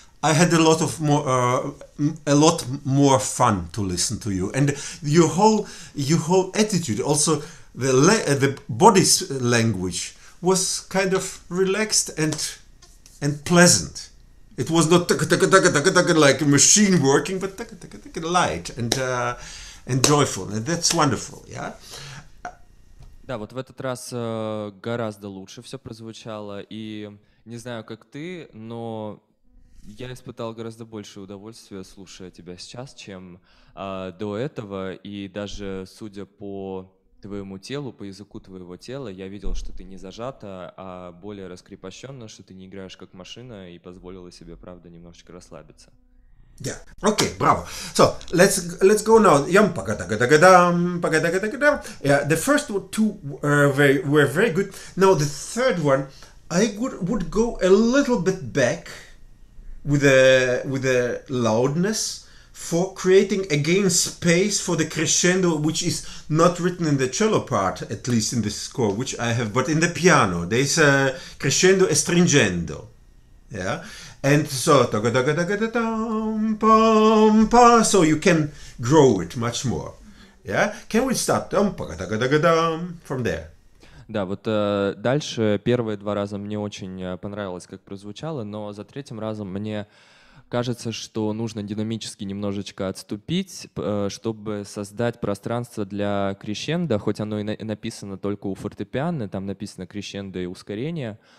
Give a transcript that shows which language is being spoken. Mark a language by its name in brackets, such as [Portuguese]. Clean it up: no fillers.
[English] I had a lot more fun to listen to you, and your whole attitude, also the body's language, was kind of relaxed and pleasant. It was not like a machine working, but light and joyful, and that's wonderful. Yeah. [Russian] Да, вот в этот раз гораздо лучше все прозвучало, и не знаю, как ты, но я испытал гораздо больше удовольствия, слушая тебя сейчас, чем до этого, и даже судя по твоему телу, по языку твоего тела, я видел, что ты не зажата, а более раскрепощенно, что ты не играешь как машина, и позволила себе, правда, немножечко расслабиться. [English] Yeah. Okay. Bravo. So let's go now. Yum. Yeah. The first two were very good. Now the third one, I would go a little bit back with the loudness for creating again space for the crescendo, which is not written in the cello part, at least in the score which I have, but in the piano there is a crescendo astringendo. Yeah. And so, so you can grow it much more. Yeah? Can we start from there? [Russian] Да, вот дальше первые два раза мне очень понравилось, как прозвучало, но за третьим разом мне кажется, что нужно динамически немножечко отступить, чтобы создать пространство для крещендо, хоть оно и написано только у фортепиано, там написано крещендо и ускорение.